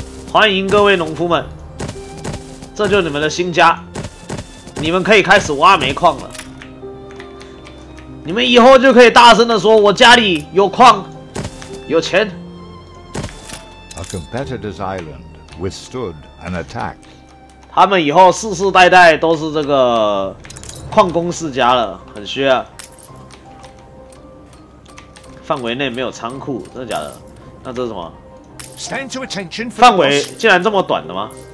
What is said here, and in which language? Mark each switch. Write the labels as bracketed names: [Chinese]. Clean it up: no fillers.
[Chinese] 欢迎各位农夫们，这就是你们的新家，你们可以开始挖煤矿了。你们以后就可以大声的说：“我家里有矿，有钱。” [English] A competitor's island withstood an attack. [Chinese] 他们以后世世代代都是这个矿工世家了，很需要。范围内没有仓库，真的假的？那这是什么？范围竟然这么短的吗？